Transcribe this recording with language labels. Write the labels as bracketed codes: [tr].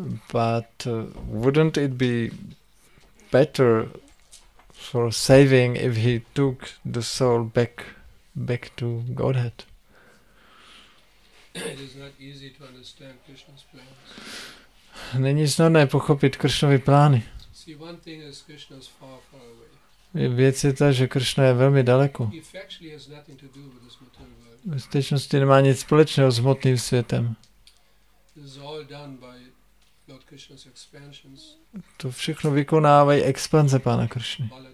[en] But wouldn't it be better for saving if he took the soul back to Godhead? It is not easy to understand Krishna's plans. [cs] Není snadné pochopit Krishnovy plány. [en] See, one thing is Krishna's far, far away. [cs] Věc je ta, že Krishna je velmi daleko. [en] He actually has nothing to do with this material world. [cs] Ve skutečnosti nemá nic společného s hmotným světem. [en] This is all done by Lord Krishna's expansions. [cs] To všechno vykonávají expanze pána Krishny.